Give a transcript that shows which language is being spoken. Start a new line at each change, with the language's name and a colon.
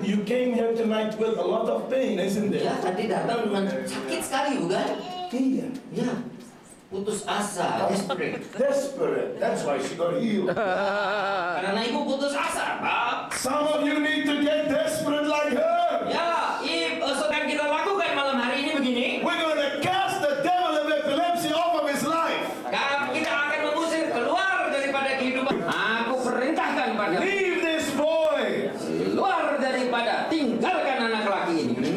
English: You came here tonight with a lot of pain, isn't it?
Indonesian: Ya, tadi datang dengan sakit sekali, bukan? Iya. Ya. Putus asa, desperate.
English: That's why she got healed.
Indonesian: Karena ibu putus asa, Pak.
English: Some of you need to get desperate like her.
Indonesian: Ya, ibu, sekarang kita lakukan malam hari ini begini.
English: We're gonna cast the devil of epilepsy off of his life.
Indonesian: Kita akan mengusir keluar daripada kehidupan. Aku perintahkan pada.
English: Leave this boy.
Indonesian: Keluar daripada, tinggalkan anak laki ini.